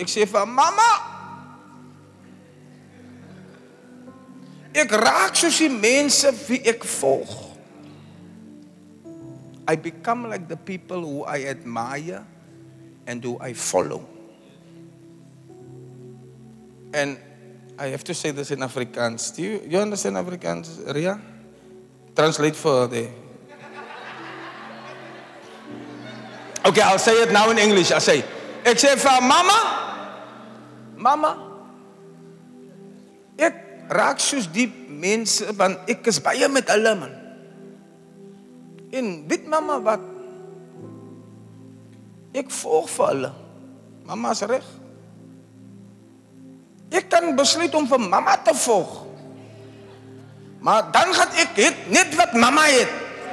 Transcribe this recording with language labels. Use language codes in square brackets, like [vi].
[af] Ek sê vir mamma, ek raak soos die mense wie ek volg. [en] I become like the people who I admire and who I follow. And I have to say this in Afrikaans. Do you understand Afrikaans, Ria? Translate for the Okay, I'll say it now in English. I say, [af] ek sê vir mama, mama, ek raak soos die mense, want ek is baie met hulle, man. En weet mama wat, ek volg vir hulle. Mama is reg. Ek kan besluit om vir mama te volg. Maar dan gaat ek het net wat mama het.